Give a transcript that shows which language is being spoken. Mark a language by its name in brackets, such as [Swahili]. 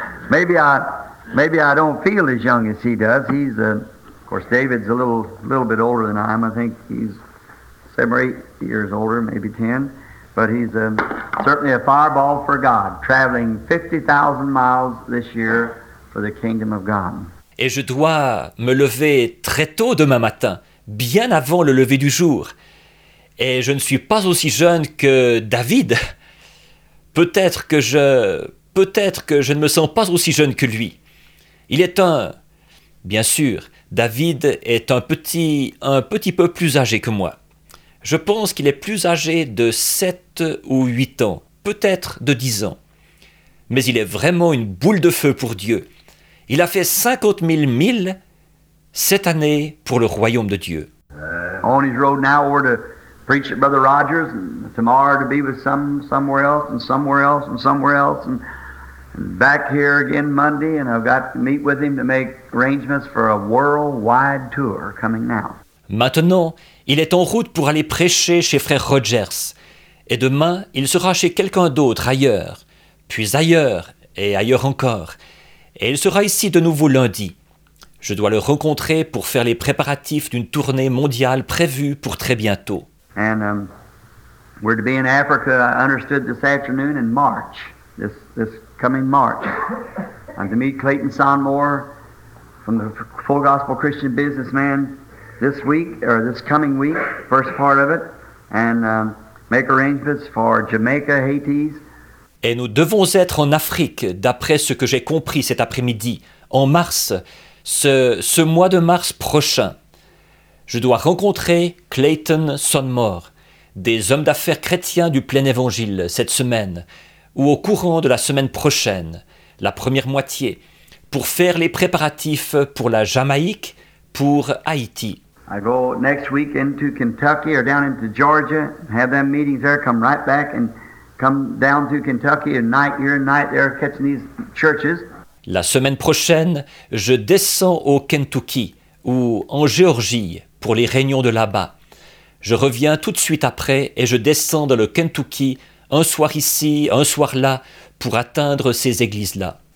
[English] Maybe I don't feel as young as he does. He's of course David's a little bit older than I am. I think he's 7 or 8 years older, maybe 10. But he's certainly a fireball for God, traveling 50,000 miles this year for the kingdom of God. [French] Et je dois me lever très tôt demain matin, bien avant le lever du jour. Et je ne suis pas aussi jeune que David. Peut-être que je ne me sens pas aussi jeune que lui. Il est bien sûr, David est un petit peu plus âgé que moi. Je pense qu'il est plus âgé de 7 ou 8 ans, peut-être de 10 ans. Mais il est vraiment une boule de feu pour Dieu. Il a fait 50 000 milles cette année pour le royaume de Dieu. [English] On his road now, we're to preach at Brother Rogers, and tomorrow to be with somewhere else, and somewhere else, and somewhere else, and back here again Monday, and I've got to meet with him to make arrangements for a worldwide tour coming now. [French] Maintenant, il est en route pour aller prêcher chez Frère Rogers, et demain, il sera chez quelqu'un d'autre ailleurs, puis ailleurs, et ailleurs encore. Et il sera ici de nouveau lundi. Je dois le rencontrer pour faire les préparatifs d'une tournée mondiale prévue pour très bientôt. [English] And we're to be in Africa, I understood, this afternoon in March, this coming March. I'm to meet Clayton Sonmore from the Full Gospel Christian Businessman this week, or this coming week, first part of it, and make arrangements for Jamaica, Haiti. [French] Et nous devons être en Afrique, d'après ce que j'ai compris cet après-midi, en mars, ce mois de mars prochain. Je dois rencontrer Clayton Sonmore, des hommes d'affaires chrétiens du plein évangile, cette semaine, ou au courant de la semaine prochaine, la première moitié, pour faire les préparatifs pour la Jamaïque, pour Haïti. [English] I go next week into Kentucky or down into Georgia, have them meetings there, come right back and come down to Kentucky and night here and night there catching these churches. [French] La semaine prochaine, je descends au Kentucky ou en Géorgie pour les réunions de là-bas. Je reviens tout de suite après et je descends dans le Kentucky un soir ici, un soir là pour atteindre ces églises-là.